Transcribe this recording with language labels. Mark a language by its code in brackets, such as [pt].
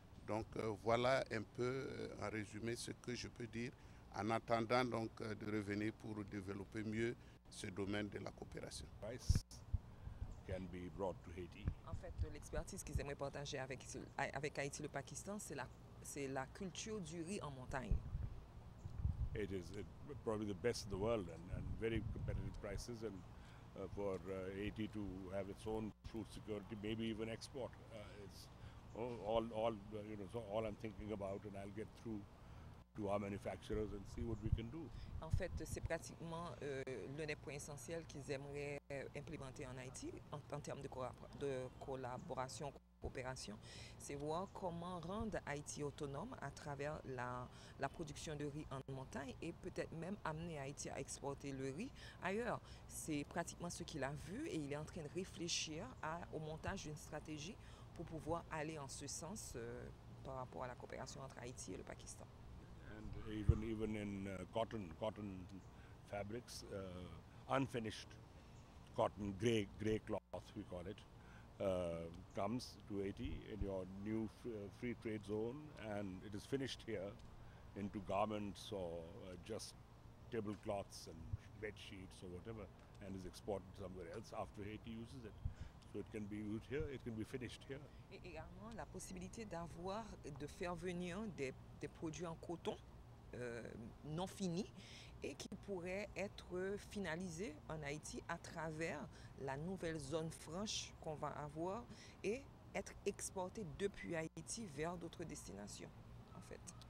[fr] Donc voilà un peu en résumé ce que je peux dire en attendant donc de revenir pour développer mieux ce domaine de la coopération. [en] Can be brought to Haiti. [fr] En fait, l'expertise qu'ils aimeraient partager avec Haïti le Pakistan, c'est la culture du riz en montagne. [en] It is probably the best in the world and very competitive prices and for Haiti to have its own food security, maybe even export. It's all I'm thinking about and I'll get through to our manufacturers and see what we can do. [fr] En fait, c'est pratiquement l'un des points essentiels qu'ils aimeraient implémenter en Haïti en termes de collaboration. Opération, c'est voir comment rendre Haïti autonome à travers la production de riz en montagne et peut-être même amener Haïti à exporter le riz ailleurs. C'est pratiquement ce qu'il a vu et il est en train de réfléchir au montage d'une stratégie pour pouvoir aller en ce sens par rapport à la coopération entre Haïti et le Pakistan. [en] And even in cotton fabrics, unfinished cotton, gray cloth, we call it. Comes to Haiti in your new free trade zone and it is finished here into garments or just tablecloths and bed sheets or whatever and is exported somewhere else after Haiti uses it. So it can be used here, it can be finished here. [fr] Et également la possibilité d'avoir, de faire venir des produits en coton non finis et qui pourrait être finalisé en Haïti à travers la nouvelle zone franche qu'on va avoir et être exporté depuis Haïti vers d'autres destinations, en fait.